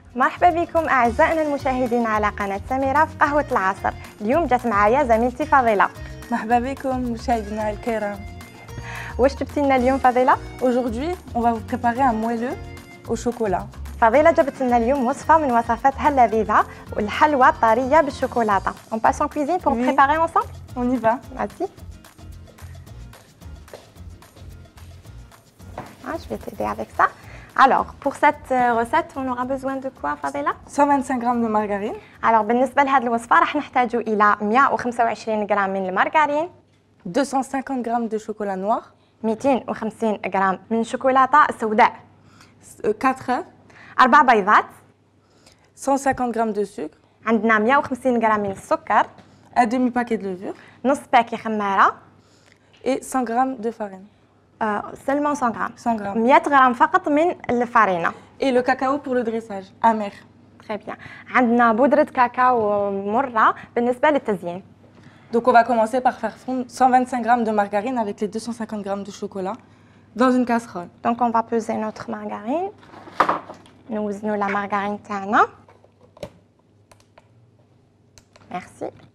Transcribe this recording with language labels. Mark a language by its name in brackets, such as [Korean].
[Arabic] مرحبا بكم أعزائنا المشاهدين على قناة سميرة في قهوة العصر. اليوم جات معايا زميلتي فضيلة. مرحبا بكم مشاهدينا الكرام. واش جبتي لنا اليوم فضيلة؟ [French] aujourd'hui on va vous préparer un moelleux au chocolat. [Arabic] فضيلة جابت لنا اليوم وصفة من وصفاتها اللذيذة والحلوى الطرية بالشوكولاتة. [French] On passe en cuisine pour préparer ensemble. On y va. Merci. Je vais t'aider avec ça. Alors, pour cette recette, on aura besoin de quoi, Fabella? 125 g de margarine. Alors, pour cette recette, nous allons avoir 125 g de margarine. 250 g de chocolat noir. 250 g de chocolat [Arabic] سوداء. [French] 4 œufs. [Arabic] 4 بيضات. [French] 150 g de sucre. [Arabic] عندنا [French] 150 g de sucre. Un demi-paquet de levure. [Arabic] نص باكي خمارة. [French] Et 100 g de farine. Seulement 100 grammes. 100 grammes. 100 grammes [Arabic] فقط من الفارينة. [French] Et le cacao pour le dressage, amer. Très bien. [Arabic] عندنا بودرة كاكاو مرة بالنسبة للتزيين. [French] Donc on va commencer par faire fondre 125 grammes de margarine avec les 250 grammes de chocolat dans une casserole. Donc on va peser notre margarine. Nous avons la margarine [Arabic] تاعنا. [French] Merci.